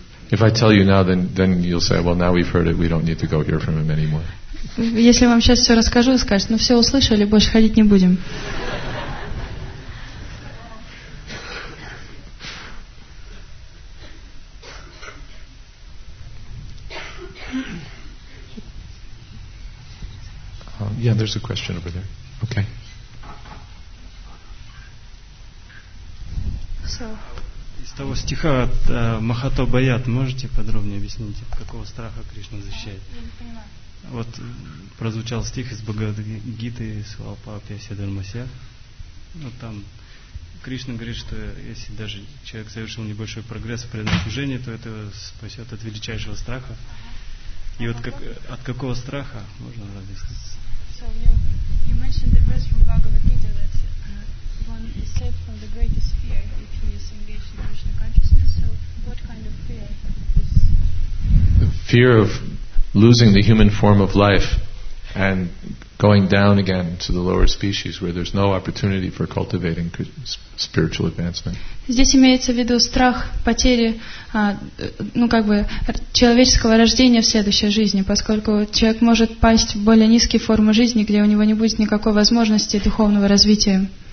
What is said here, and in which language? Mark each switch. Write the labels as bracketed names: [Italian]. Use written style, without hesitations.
[English] If I tell you now, then you'll say, well, now we've heard it, we don't need to go hear from him anymore. [Russian] Если вам сейчас все расскажу, скажете, ну все услышали, больше ходить не будем. [English] Yeah, there's a question over there. Okay. So. [Russian] Из того стиха от Махато Баят можете подробнее объяснить, от какого страха Кришна защищает? Я не понимаю. Вот прозвучал стих из Бхагавад-гиты Свалпапья Сидармасе. Вот там Кришна говорит, что если даже человек совершил небольшой прогресс в предослужении, то это спасет от величайшего страха. И вот как, от какого страха можно разъяснить? [English] So you mentioned the verse from Bhagavad Gita that one is saved from the greatest fear if he is engaged in Krishna consciousness. So what kind of fear is the fear of losing the human form of life and going down again to the lower species where there's no opportunity for cultivating spiritual advancement. [Russian] Здесь имеется в виду страх потери, ну как бы человеческого рождения в следующей жизни, поскольку человек может пасть в более низкие формы жизни, где у него не будет никакой возможности духовного развития.